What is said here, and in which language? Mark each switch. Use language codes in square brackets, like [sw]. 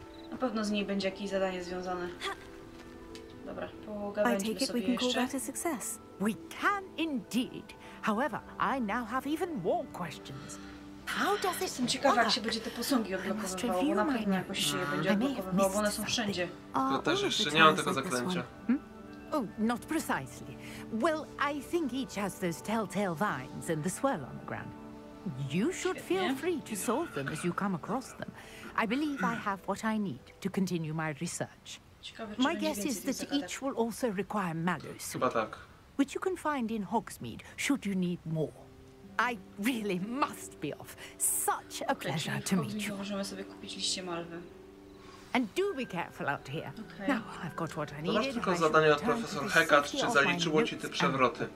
[pl] Na pewno z niej będzie jakieś zadanie związane. Dobra, pogadajmy sobie jeszcze. [en] We can indeed. However, I now have even more questions. How does it? [pl] Jestem ciekawa, jak się będzie te posągi odblokowywało, bo na pewno jakoś się będzie odblokowywało, bo one są wszędzie. Ja też jeszcze nie mam tego zaklęcia. [en] Oh, not precisely. Well, I think each has those telltale vines and the swirl on the ground. You should feel free to solve them as you come across them. I believe I have what I need to continue my research. My guess is that each will also require mallows, which you can find in Hogsmeade should you need more. I really must be off. Such a pleasure to meet you. [pl] Możemy sobie kupić liście malwy. [en] And do be careful out here. Okay. Now I've got what I need. [pl] To tylko zadanie od profesor Hekat, czy zaliczyło ci te przewroty?